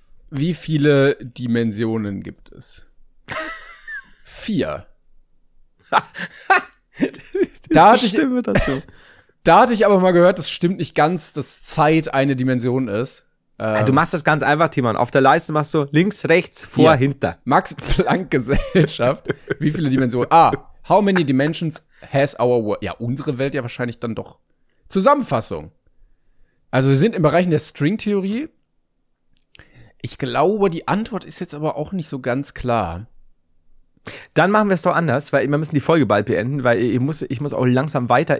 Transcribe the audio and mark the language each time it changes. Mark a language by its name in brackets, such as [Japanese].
[German] Wie viele Dimensionen gibt es? 4. Da hatte ich aber mal gehört, das stimmt nicht ganz, dass Zeit eine Dimension ist. Du machst das ganz einfach, Timon. Auf der Leiste machst du links, rechts, vor, hinter. Max-Planck-Gesellschaft. Wie viele Dimensionen? [English] How many dimensions has our world? [German] Ja, unsere Welt ja wahrscheinlich dann doch. Zusammenfassung. Also wir sind im Bereich der String-Theorie. Ich glaube, die Antwort ist jetzt aber auch nicht so ganz klar. Dann machen wir es doch anders, weil wir müssen die Folge bald beenden, weil ich muss auch langsam weiter.